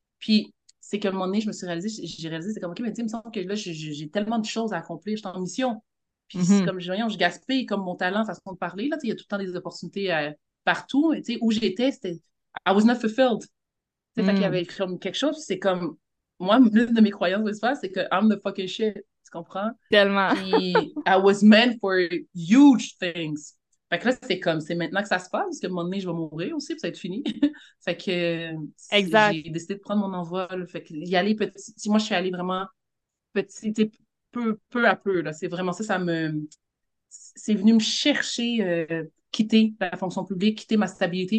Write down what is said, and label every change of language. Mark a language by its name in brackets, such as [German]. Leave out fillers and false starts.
[French] Puis, c'est qu'à un moment donné, je me suis réalisé, j'ai réalisé, c'est comme, OK, mais tu sais, il me semble que là, j'ai tellement de choses à accomplir, je suis en mission. Puis, c'est comme, voyons, je gaspille comme mon talent, façon de parler, là, tu sais, il y a tout le temps des opportunités partout. Tu sais, où j'étais, c'était, [English] I was not fulfilled. [French] Tu sais, fait qu'il y avait comme quelque chose, c'est comme, moi, l'une de mes croyances, j'espère, c'est que [English] I'm the fucking shit. [French] Tu comprends? Tellement. Puis, [English] I was meant for huge things. [French] Fait que là, c'est comme, c'est maintenant que ça se passe, parce qu'à un moment donné, je vais mourir aussi, puis ça va être fini. Fait que exact. J'ai décidé de prendre mon envol. Fait que y aller petit, si moi, je suis allée vraiment petit, peu à peu, là, c'est vraiment ça, c'est venu me chercher, quitter la fonction publique, quitter ma stabilité.